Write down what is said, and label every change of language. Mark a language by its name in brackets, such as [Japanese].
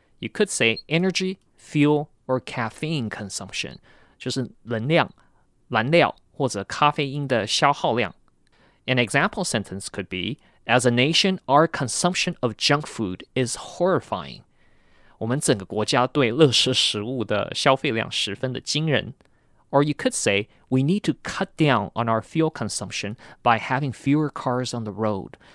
[English] You could say energy, fuel, or caffeine consumption. [Chinese] 就是能量、燃料或者咖啡因的消耗量. [English] An example sentence could be, as a nation, our consumption of junk food is horrifying. [Chinese] 我们整个国家对垃圾食物的消费量十分的惊人. [English] Or you could say, we need to cut down on our fuel consumption by having fewer cars on the road.